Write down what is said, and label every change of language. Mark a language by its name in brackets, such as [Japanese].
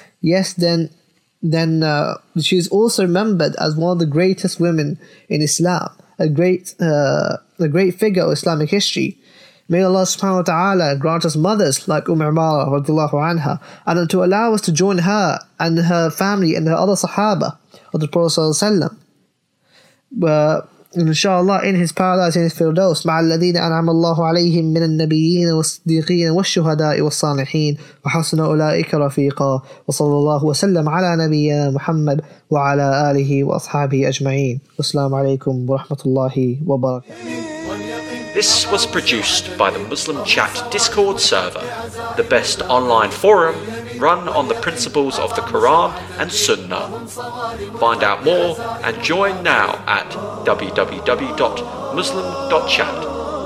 [English] Yes, then she's also remembered as one of the greatest women in Islam, a great figure of Islamic history. May Allah subhanahu wa ta'ala grant us mothers like Umm Umara radiallahu anha, and to allow us to join her and her family and her other sahaba of the Prophet sallallahu alayhi wa sallam. [Arabic] Inshallah, [English] in his paradise, in his firdaus, [Arabic] مع الذين أنعم الله عليهم من النبيين والصديقين والشهداء والصالحين وحسن أولئك رفيقا وصلى الله وسلم على نبينا محمد وعلى آله وأصحابه أجمعين. والسلام عليكم ورحمة الله وبركاته. [English] This was produced by the Muslim Chat Discord server, the best online forum run on the principles of the Quran and Sunnah. Find out more and join now at www.muslim.chat.